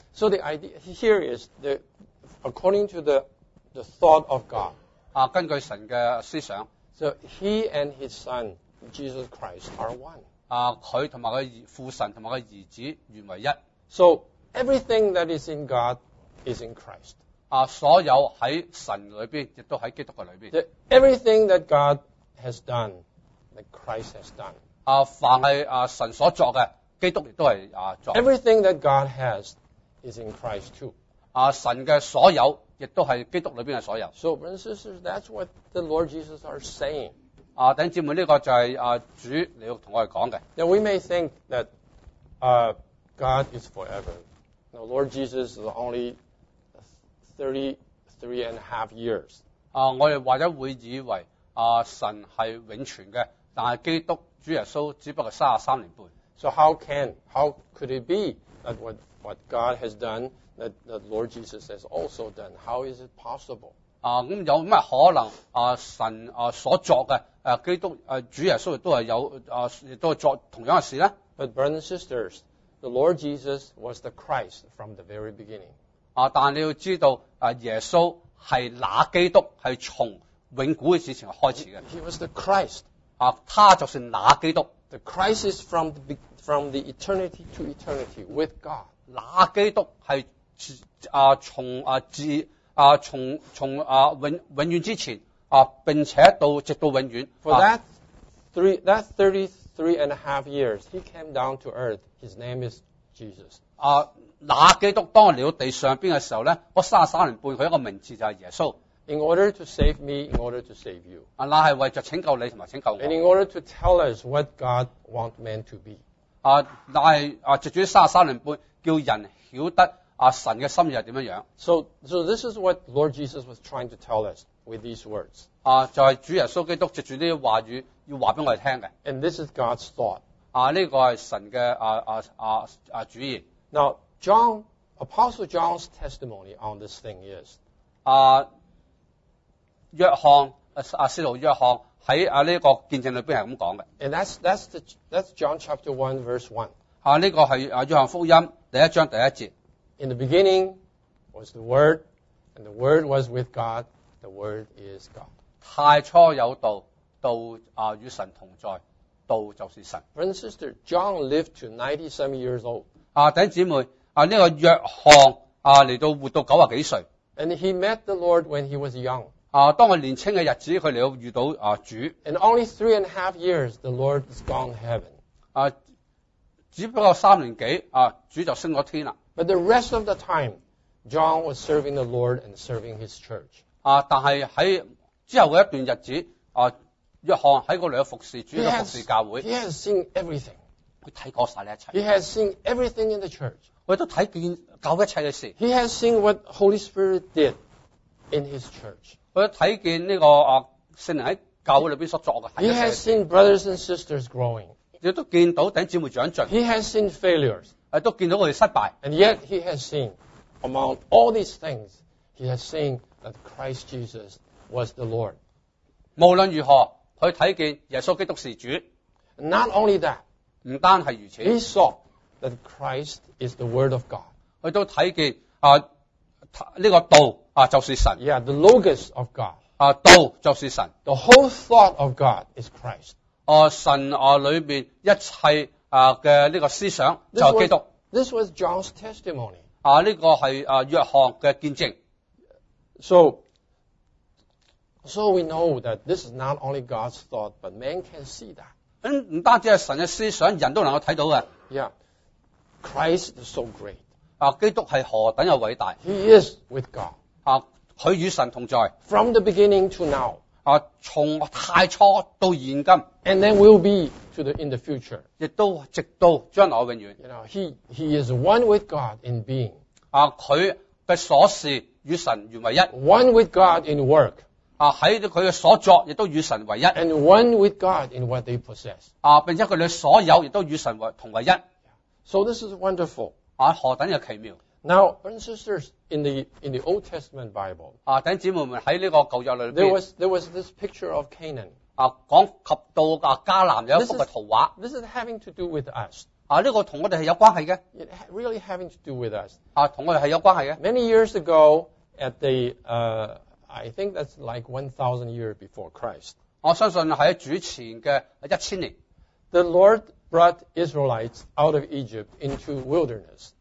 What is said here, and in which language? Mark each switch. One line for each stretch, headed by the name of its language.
English: So the idea here is the according to the thought of God.
Cantonese: 根据神嘅思想。
English: So he and his son Jesus Christ are one.
Cantonese: 佢同埋佢父神同埋佢儿子原为一。
English: So everything that is in God is in Christ.
Cantonese: 所有喺神里边，亦都喺基督嘅里边。
English: Everything that God has done, that Christ has done.
Cantonese: 凡系神所作嘅，基督亦都系作。
English: Everything that God has is in Christ too.
Cantonese: 神嘅所有亦都系基督里边嘅所有。
English: So, brothers and sisters, that's what the Lord Jesus are saying.
Cantonese: 弟兄姊妹，这个就是主你要同我哋讲嘅。
English: Now we may think that, God is forever. Now, Lord Jesus is only 33.5 years.
Cantonese: 我哋或者会以为神系永存嘅，但系基督主耶稣只不过33年半。
English: So how could it be that what God has done that the Lord Jesus has also done? How is it possible?
Cantonese: 咁有咩可能神所作嘅基督主耶稣都系有亦都作同样嘅事咧
English: ？But brothers and sisters, the Lord Jesus was the Christ from the very beginning.
Cantonese: 但你要知道耶稣系那基督系从永古嘅事情开始嘅。
English: He was the Christ.
Cantonese: 他就是那基督。
English: The Christ is from the eternity to eternity with God.
Cantonese: 那基督系从自从永远之前并且到直到永远。
English: For that 33.5 years, he came down to earth. His name is Jesus.
Cantonese: 那基督当嚟到地上边嘅时候咧，嗰33年半，佢一个名字就系耶稣。
English: In order to save me, in order to save you.
Cantonese: 那是为着拯救你同埋拯救我。
English: And in order to tell us what God wants man to be.
Cantonese: 那是藉住33年半，叫人晓得神嘅心意系点样。
English: So this is what Lord Jesus was trying to tell us with these words.
Cantonese: 就是主耶稣基督藉住呢啲话语要话俾我哋听嘅。
English: And this is God's thought.
Cantonese: 呢个系神嘅主意。
English: Now, John, Apostle John's testimony on this thing is,
Cantonese: 约翰使徒约翰喺呢个见证里边系咁讲嘅。
English: And that's John chapter 1 verse 1.
Cantonese: 呢个系约翰福音第一章第一节。
English: In the beginning was the Word, and the Word was with God, the Word is God.
Cantonese: 太初有道，道与神同在，道就是神。
English: Brother and sister, John lived to 90 some years old.
Cantonese: 弟兄姊妹，呢个约翰嚟到活到90几岁。
English: And he met the Lord when he was young.
Cantonese: 当我年轻嘅日子，佢嚟到遇到主。
English: And only 3.5 years, the Lord is gone to heaven.
Cantonese: 只不过3年几主就升咗天啦。
English: But the rest of the time, John was serving the Lord and serving his church.
Cantonese: 但系喺之后嘅一段日子，约翰喺嗰度服侍主，服侍教会。
English: He has seen everything.
Cantonese: 佢睇过晒呢一切。
English: He has seen everything in the church.
Cantonese: 佢都睇见教会一切嘅事。
English: He has seen what Holy Spirit did in his church.
Cantonese: 佢睇见呢个圣灵喺教会里边所作嘅。
English: He has seen brothers and sisters growing.
Cantonese: 亦都见到弟兄姊妹长进。
English: He has seen failures.
Cantonese: 都见到佢哋失败。
English: And yet he has seen, among all these things, he has seen that Christ Jesus was the Lord.
Cantonese: 无论如何，佢睇见耶稣基督是主。
English: Not only that.
Cantonese: 唔单系如此。
English: He saw that Christ is the Word of God.
Cantonese: 佢都睇见这个道就是神。
English: Yeah, the logos of God.
Cantonese: 道就是神。
English: The whole thought of God is Christ.
Cantonese: 神里面一切的这个思想就是基督。
English: This was John's testimony.
Cantonese: 这个是约翰的见证。
English: So we know that this is not only God's thought, but man can see that.
Cantonese: 不单只是神的思想，人都能够看到的。
English: Yeah, Christ is so great.
Cantonese: 基督是何等的伟大。
English: He is with God.
Cantonese: 他与神同在。
English: From the beginning to now.
Cantonese: 从太初到现今。
English: And then will be to the, in the future.
Cantonese: 亦都直到将来永远。
English: You know, he is one with God in being.
Cantonese: 他的所事与神原为一。
English: One with God in work.
Cantonese: 在他的所作亦都与神为一。
English: And one with God in what they possess.
Cantonese: 并且他们所有亦都与神同为一。
English: So this is wonderful.
Cantonese: 何等的奇妙。
English: Now, brothers and sisters, in the Old Testament Bible,
Cantonese: 弟兄姊妹们在这个旧约里面,
English: there was this picture of Canaan.
Cantonese: 讲及到啊迦南有一幅嘅图画。
English: This is having to do with us.
Cantonese: 啊，呢个同我哋系有关系嘅。
English: It really having to do with us.
Cantonese: 啊，同我哋系有关系嘅。
English: Many years ago, at the I think that's like 1,000 years before Christ.
Cantonese: 我相信喺主前嘅一千年。
English: The Lord brought Israelites out of Egypt into wilderness.